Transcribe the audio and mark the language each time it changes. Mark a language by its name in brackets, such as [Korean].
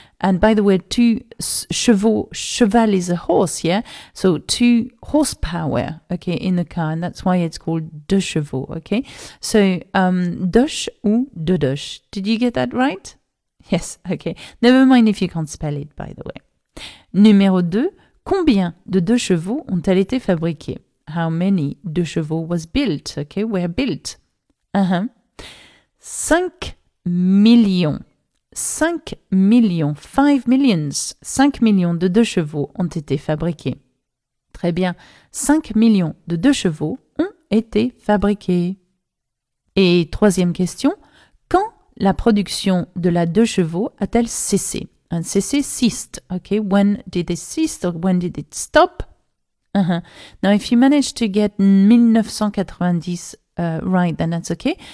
[English] And by the way, two chevaux, cheval is a horse, yeah? So two horsepower, okay, in the car, and that's why it's called deux chevaux, okay? So Deuche ou De Deuche. Did you get that right? Yes, okay. Never mind if you can't spell it, by the way. [French] Numéro 2, combien de deux chevaux ont-elles été fabriquées? [English] How many deux chevaux was built? Okay, were built. [French] 5 millions. 5 millions. 5 millions. 5 millions de deux chevaux ont été fabriqués. Très bien. 5 millions de deux chevaux ont été fabriqués. Et troisième question. Quand la production de la deux chevaux a-t-elle cessé? Un cessé, ceased. [English] Okay, when did it cease or when did it stop? Now, if you manage to get 1990 right, then that's okay.